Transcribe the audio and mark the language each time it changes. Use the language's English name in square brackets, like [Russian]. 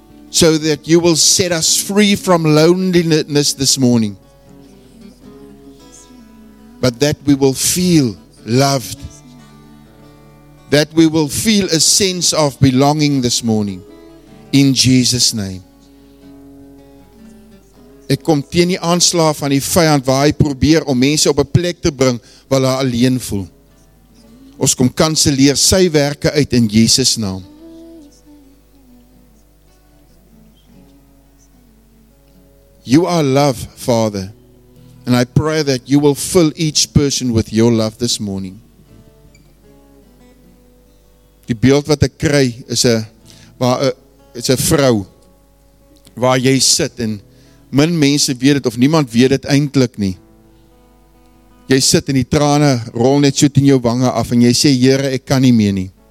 [English] So that you will set us free from loneliness this morning. But that we will feel loved. That we will feel a sense of belonging this morning. In Jesus' name. [Afrikaans] Ek kom teen die aanslag van die vyand waar hy probeer om mense op 'n plek te bring waar hulle alleen voel. Ons kom kanselleer sy werke uit in Jesus' naam. [English] You are love, Father. And I pray that you will fill each person with your love this morning. [Afrikaans] Die beeld wat ek kry is 'n vrou waar jy sit en min mense weet dit of niemand weet dit eintlik nie. Jy sit en die trane rol net soet in jou wange af en jy sê, Here, ek kan nie meer nie.